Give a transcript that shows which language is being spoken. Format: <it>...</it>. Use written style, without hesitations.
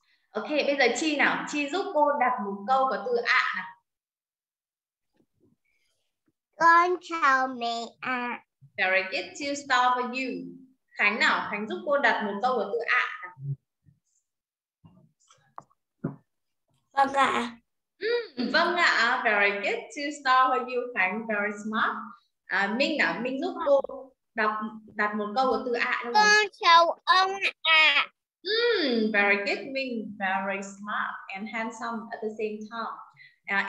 <vi>Ok, bây giờ Chi nào, Chi giúp cô đặt một câu có từ ạ nào. Con chào mẹ ạ.</vi> <en>Very good, to start for you.</en> <vi>Khánh nào, Khánh giúp cô đặt một câu có từ ạ. Vâng ạ. Vâng ạ,</vi> <en>very good, to start for you. Khánh, very smart.</en> <vi>Minh nào, Minh giúp cô đặt một câu có từ ạ. Con chào ông ạ.</vi> <en>Very good, Minh, very smart and handsome at the same time.</en>